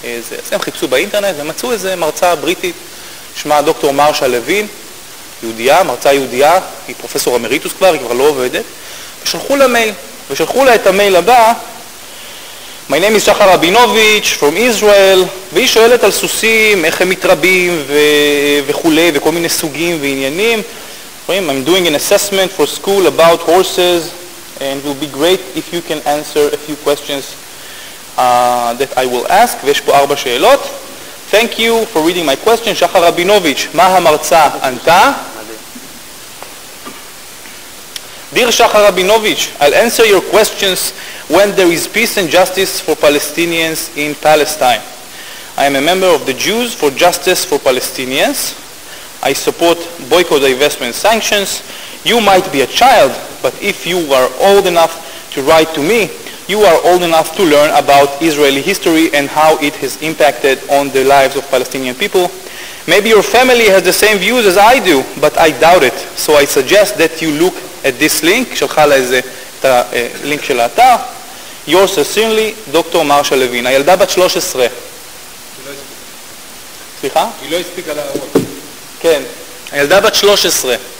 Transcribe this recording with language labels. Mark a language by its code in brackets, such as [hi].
[he] אז הם חיפשו באינטרנט ומצאו איזה מרצה בריטית, שמה דוקטור מרשה לוין, יהודיה, מרצה יהודיה, היא פרופסור אמריטוס כבר, היא כבר לא עובדת, ושלחו לה מייל, ושלחו לה את המייל הבא, [en] My name is [he] שחר רבינוביץ' [en] from Israel, [he] והיא שואלת על סוסים, איך הם מתרבים וכו', וכל מיני סוגים ועניינים. [en] I'm doing an assessment for school about horses, and it will be great if you can answer a few questions that I will ask. [he] ויש פה 4 שאלות. [en] Thank you for reading my question, שחר רבינוביץ', [he] מה המרצה ענתה? [en] Dear Shachar Rabinovich, I'll answer your questions when there is peace and justice for Palestinians in Palestine. I am a member of the Jews for Justice for Palestinians. I support boycott, divestment, sanctions. You might be a child, but if you are old enough to write to me, you are old enough to learn about Israeli history and how it has impacted on the lives of Palestinian people. Maybe your family has the same views as I do, but I doubt it. So I suggest that you look at this link, [he] שלחה לה איזה, את הלינק של האתר. [en] Yours sincerely, דוקטור מרשה לוין. [he] הילדה בת 13. סליחה? היא לא הספיקה להראות. כן, הילדה בת 13.